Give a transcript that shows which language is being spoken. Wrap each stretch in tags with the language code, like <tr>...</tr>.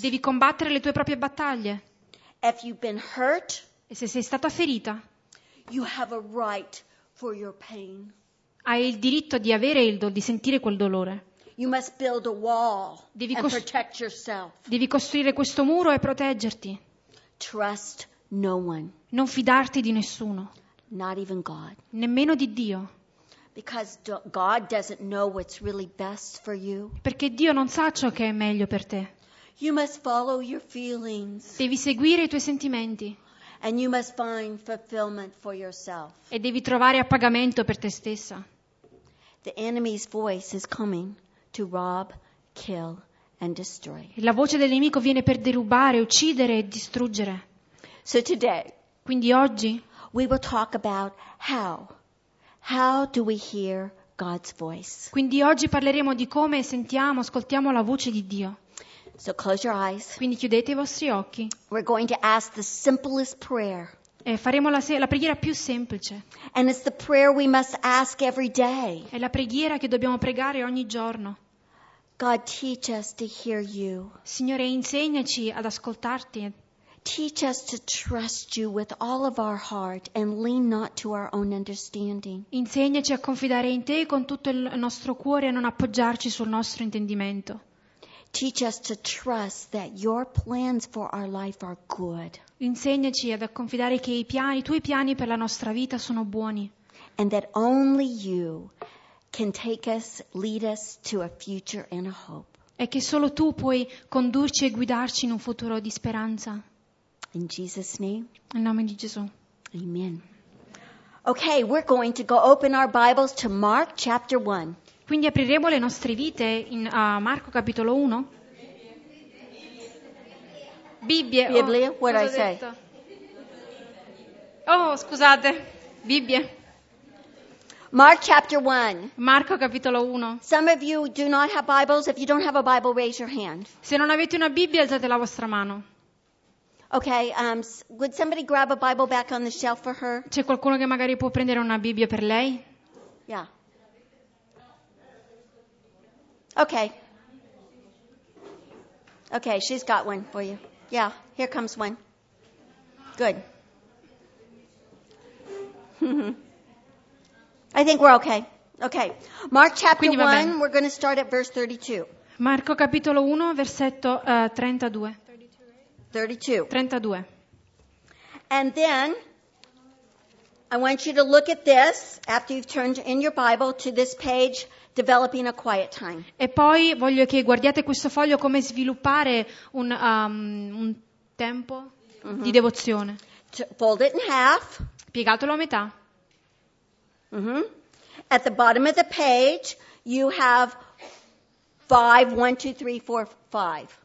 <it>Devi combattere le tue proprie battaglie.</it> <en>If you've been hurt,</en> <it>e se sei stata ferita,</it> <en>you have a right for your pain.</en> <it>Hai il diritto di avere il di sentire quel dolore.</it> <en>You must build a wall and protect yourself.</en> <it>Devi costruire questo muro e proteggerti.</it> <en>Trust no one.</en> <it>Non fidarti di nessuno.</it> <en>Not even God.</en> <it>Nemmeno di Dio.</it> <en>Because God doesn't know what's really best for you.</en> <it>Perché Dio non sa ciò che è meglio per te.</it> <en>You must follow your feelings.</en> <it>Devi seguire i tuoi sentimenti.</it> <en>And you must find fulfillment for yourself.</en> <it>E devi trovare appagamento per te stessa.</it> <en>The enemy's voice is coming to rob, kill, and destroy.</en> <it>La voce del nemico viene per derubare, uccidere e distruggere.</it> <en>So today,</en> <it>quindi oggi,</it> <en>we will talk about how. How do we hear God's voice?</en> <it>Quindi oggi parleremo di come sentiamo, ascoltiamo la voce di Dio.</it> <en>So close your eyes.</en> <it>Quindi chiudete i vostri occhi.</it> <en>We're going to ask the simplest prayer.</en> <it>E faremo la preghiera più semplice.</it> <en>And it's the prayer we must ask every day.</en> <it>È la preghiera che dobbiamo pregare ogni giorno.</it> <en>God, teach us to hear you.</en> <it>Signore, insegnaci ad ascoltarti.</it> <en>Teach us to trust you with all of our heart and lean not to our own understanding.</en> <it>Insegnaci a confidare in te con tutto il nostro cuore e non appoggiarci sul nostro intendimento.</it> <en>Teach us to trust that your plans for our life are good.</en> <it>Insegnaci a confidare che i tuoi piani per la nostra vita sono buoni.</it> <en>And that only you can take us, lead us to a future and a hope.</en> <it>E che solo tu puoi condurci e guidarci in un futuro di speranza.</it> <en>In Jesus' name.</en> <it>In nome di Gesù.</it> <en>Amen. Okay, we're going to go open our Bibles to Mark chapter 1.</en> <it>Quindi apriremo le nostre vite in Marco capitolo 1. Bibbie.</it> <en>Biblia, what did I say?</en> <it>Oh, scusate. Bibbie.</it> <en>Mark chapter 1.</en> <it>Marco capitolo 1.</it> <en>Some of you do not have Bibles. If you don't have a Bible, raise your hand.</en> <it>Se non avete una Bibbia, alzate la vostra mano.</it> <en>Okay, would somebody grab a Bible back on the shelf for her?</en> <it>C'è qualcuno che magari può prendere una Bibbia per lei?</it> <en>Yeah. Okay. Okay, she's got one for you. Yeah, here comes one. Good. I think we're okay. Okay. Mark chapter 1, we're going to start at verse 32.</en> <it>Marco capitolo 1, versetto 32. 32.</it> <en>And then I want you to look at this after you've turned in your Bible to this page, developing a quiet time.</en> <it>E poi voglio che guardiate questo foglio come sviluppare un tempo di devozione.</it> <en>Fold it in half.</en> <it>Piegatelo a metà.</it> <en>At the bottom of the page you have 5, 1, 2, 3, 4, 5.</en>